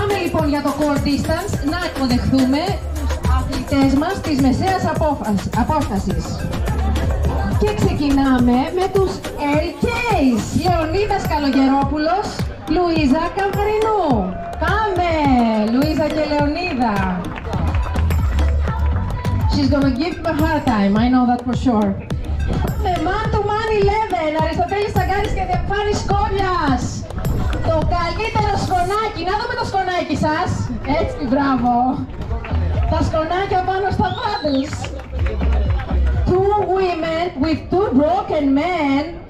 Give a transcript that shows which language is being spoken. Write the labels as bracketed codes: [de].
[el] λοιπόν για το core distance να υποδεχθούμε αθλητές μας της μεσαίας απόστασης. Και ξεκινάμε με τους LKs. Λεωνίδας Καλογερόπουλος, Λουίζα Καβρινού. Πάμε, Λουίζα και Λεωνίδα. [en] She's gonna give me a hard time, I know that for sure. [el] Πάμε, man to man 11, Αριστοτέλης Σαγκάρης και Διαφάνης Κόλλιας. Το καλύτερο σκονάκι, να δούμε το σκονάκι σας. Έτσι, μπράβο. Τα σκονάκια πάνω στα πάντες. [en] Two women with two broken men.